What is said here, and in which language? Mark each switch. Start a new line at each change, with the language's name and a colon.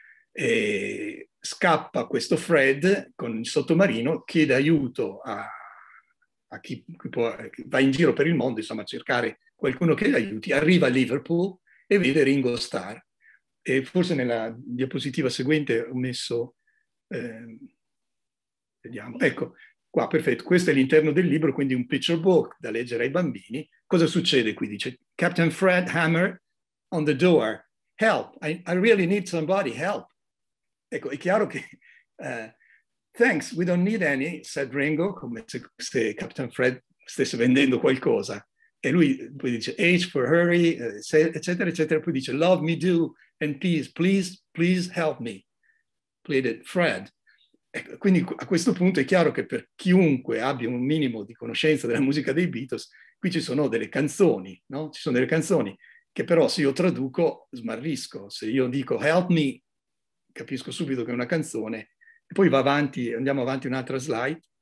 Italian: E scappa questo Fred con il sottomarino, chiede aiuto a chi può, va in giro per il mondo, insomma, a cercare qualcuno che gli aiuti, arriva a Liverpool e vede Ringo Starr. E forse nella diapositiva seguente ho messo... vediamo. Ecco, qua, perfetto, questo è l'interno del libro, quindi un picture book da leggere ai bambini. Cosa succede qui? Dice,
English: Captain Fred Hammer on the door. Help, I really need somebody, help.
Italian: Ecco, è chiaro che,
English: thanks, we don't need any, said Ringo,
Italian: come se Captain Fred stesse vendendo qualcosa. E lui poi dice, H for hurry, eccetera, eccetera. Poi dice,
English: love me do, and please, please, please help me, pleaded Fred.
Italian: Quindi a questo punto è chiaro che per chiunque abbia un minimo di conoscenza della musica dei Beatles, qui ci sono delle canzoni, no? Ci sono delle canzoni che però se io traduco smarrisco. Se io dico
English: help me,
Italian: capisco subito che è una canzone. E poi va avanti, andiamo avanti un'altra slide.